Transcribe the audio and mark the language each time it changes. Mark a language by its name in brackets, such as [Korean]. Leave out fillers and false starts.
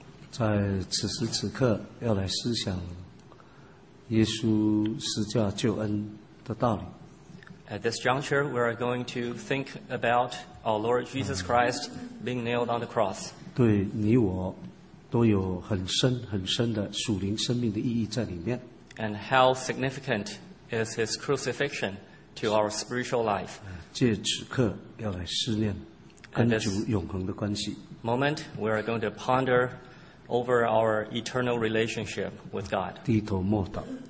[Chinese] 在此时此刻要来思想耶稣十架救恩的道理。 [English] At this juncture, we are going to think about our Lord Jesus Christ being nailed on the cross. [Chinese] 对你我都有很深很深的属灵生命的意义在里面。 [English] And how significant is his crucifixion to our spiritual life? [Chinese] 借此刻要来思念。 [English] Moment, we are going to ponder over our eternal relationship with God. [Chinese] 低头默祷。